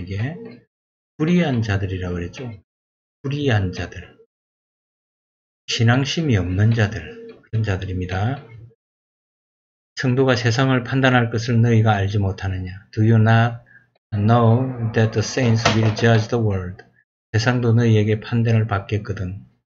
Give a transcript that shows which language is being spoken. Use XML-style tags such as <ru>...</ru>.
<ko>이게 불의한 자들이라고 그랬죠. 불의한 자들, 신앙심이 없는 자들, 그런 자들입니다. 성도가 세상을 판단할 것을 너희가 알지 못하느냐.</ko> <en>Do you not know that the saints will judge the world?</en> <ko>세상도 너희에게 판단을 받겠거든.</ko>